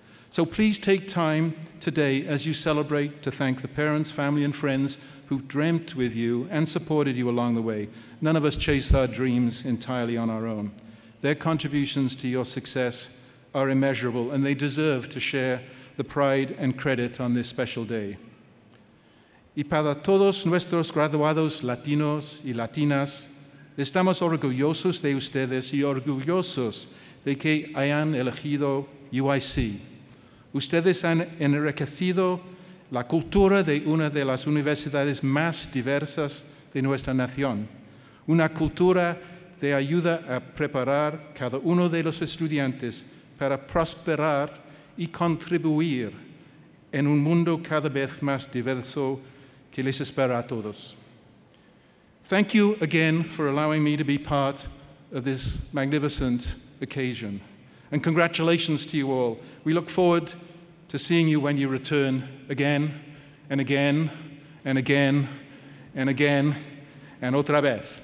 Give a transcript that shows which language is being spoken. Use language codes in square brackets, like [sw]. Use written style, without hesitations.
[en] So please take time today as you celebrate to thank the parents, family, and friends who've dreamt with you and supported you along the way. None of us chase our dreams entirely on our own. Their contributions to your success are immeasurable, and they deserve to share the pride and credit on this special day. [es] Y para todos nuestros graduados latinos y latinas, estamos orgullosos de ustedes y orgullosos de que hayan elegido UIC. Ustedes han enriquecido la cultura de una de las universidades más diversas de nuestra nación, una cultura que ayuda a preparar cada uno de los estudiantes para prosperar y contribuir en un mundo cada vez más diverso que les espera a todos. [en] Thank you again for allowing me to be part of this magnificent occasion. And congratulations to you all. We look forward to seeing you when you return again and again and again and again and [es] otra vez.